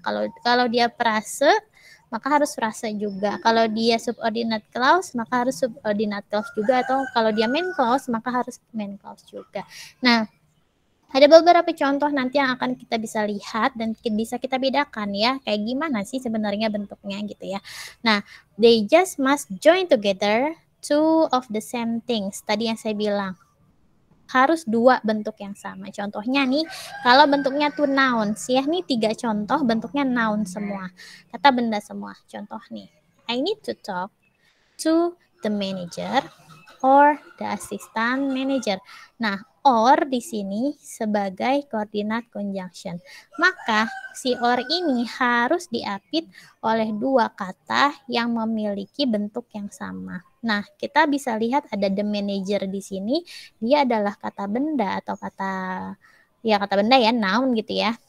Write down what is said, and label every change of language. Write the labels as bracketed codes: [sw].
[id] Kalau dia prase, maka harus prase juga. Kalau dia subordinate clause, maka harus subordinate clause juga. Atau kalau dia main clause, maka harus main clause juga. Nah, ada beberapa contoh nanti yang akan kita bisa lihat dan bisa kita bedakan ya. Kayak gimana sih sebenarnya bentuknya gitu ya. [en] Nah, they just must join together two of the same things. [id] Tadi yang saya bilang, harus dua bentuk yang sama. Contohnya nih, kalau bentuknya tuh nouns ya, nih tiga contoh bentuknya noun semua, kata benda semua. Contoh nih, [en] I need to talk to the manager or the assistant manager. [id] Nah, or di sini sebagai coordinate conjunction, maka si or ini harus diapit oleh dua kata yang memiliki bentuk yang sama. Nah, kita bisa lihat ada the manager di sini, dia adalah kata benda atau kata, ya kata benda ya, noun gitu ya.